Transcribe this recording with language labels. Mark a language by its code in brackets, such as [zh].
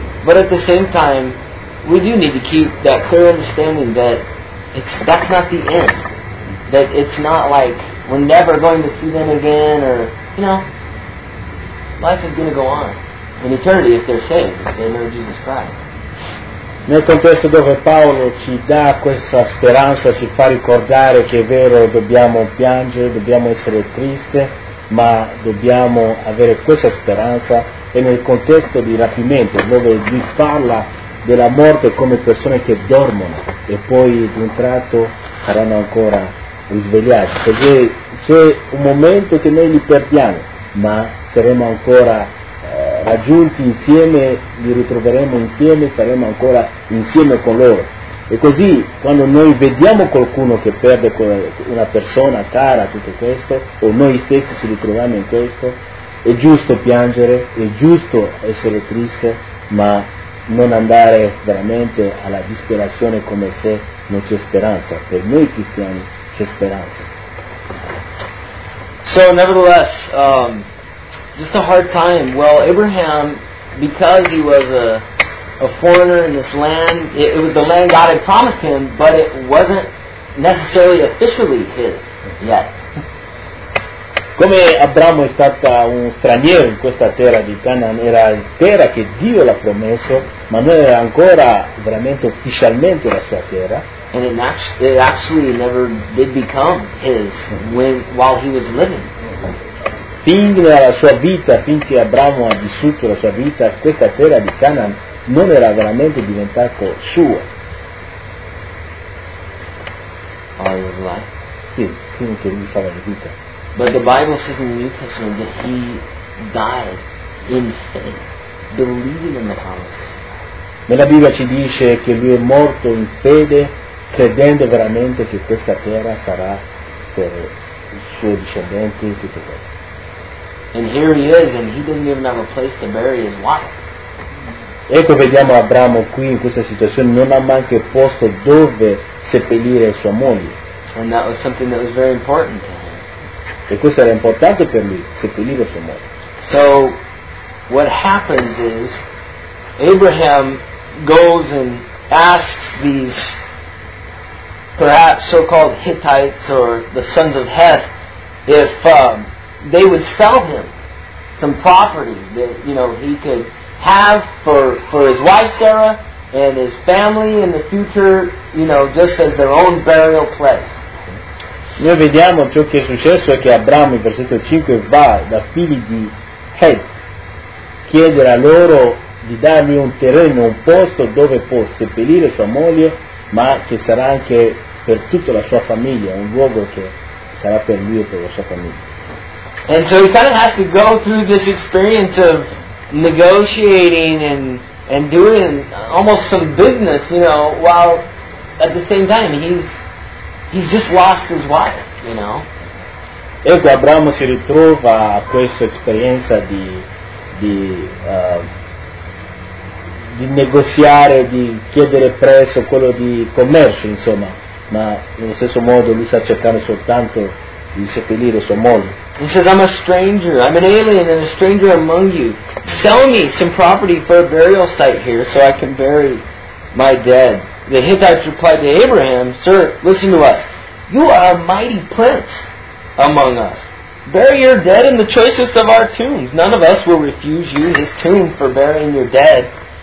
[en] But at the same time, we do need to keep that clear understanding that that's not the end. That it's not like we're never going to see them again, or, you know, life is going to go on in eternity if they're saved, if they know Jesus Christ. [it] Nel contesto dove Paolo ci dà questa speranza, ci fa ricordare che è vero, dobbiamo piangere, dobbiamo essere triste, ma dobbiamo avere questa speranza, e nel contesto di rapimento, dove lui parla della morte come persone che dormono e poi di un tratto saranno ancora risvegliati, perché c'è un momento che noi li perdiamo, ma saremo ancora raggiunti insieme, li ritroveremo insieme, saremo ancora insieme con loro. E così quando noi vediamo qualcuno che perde una persona cara, tutto questo, o noi stessi ci ritroviamo in questo, è giusto piangere, è giusto essere triste, ma non andare veramente alla disperazione come se non c'è speranza. Per noi cristiani c'è speranza. [en] So nevertheless, just a hard time. Well, Abraham, because he was a foreigner in this land, it was the land God had promised him, but it wasn't necessarily officially his yet. [it] Come Abramo è stato un straniero in questa terra di Canaan, era la terra che Dio l'ha promesso, ma non era ancora veramente ufficialmente la sua terra. [en] And it actually never did become his while he was living. [it] Fin nella sua vita, finché Abramo ha vissuto la sua vita, questa terra di Canaan non era veramente diventata sua. [en] All his life? [it] Sì, finché lui stava in vita. [en] But the Bible says in the New Testament that he died in faith, believing in the promises. [it] Ma la Bibbia ci dice che lui è morto in fede, credendo veramente che questa terra sarà per i suoi discendenti e tutto questo. [en] And here he is, and he didn't even have a place to bury his wife. [it] Ecco, vediamo Abramo qui in questa situazione, non ha manco posto dove seppellire sua moglie. [en] And that was something that was very important. [it] E questo era importante per lui, seppellire sua moglie. [en] So what happens is Abraham goes and asks these perhaps so-called Hittites or the sons of Heth if they would sell him some property that, you know, he could have for his wife Sarah and his family in the future, you know, just as their own burial place. [it] Noi vediamo ciò che è successo è che Abramo in versetto 5 va da figli di Heth, chiede a loro di dargli un terreno, un posto dove può seppellire sua moglie, ma che sarà anche per tutta la sua famiglia, un luogo che sarà per lui e per la sua famiglia. [en] And so he kind of has to go through this experience of negotiating and doing almost some business, you know, while at the same time he's just lost his wife, you know. [it] Ecco, Abramo si ritrova a questa esperienza di negoziare, di chiedere prezzo, quello di commercio, insomma. Ma nello stesso modo lui sta cercando soltanto di seppellire sua moglie. [en] He says, I'm a stranger, I'm an alien and a stranger among you. Sell me some property for a burial site here so I can bury my dead. The Hittites replied to Abraham, sir, listen to us. You are a mighty prince among us. bury your dead in the choicest of our tombs. None of us will refuse you his tomb for burying your dead.